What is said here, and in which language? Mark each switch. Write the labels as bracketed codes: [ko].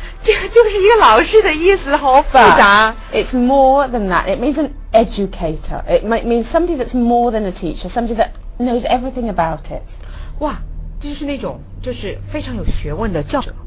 [zh] 就是一个老师的意思，好复杂。 [en] It's more than that. It means an educator. It might mean somebody that's more than a teacher, somebody that knows everything about it. [zh] 哇，就是那种就是非常有学问的教者。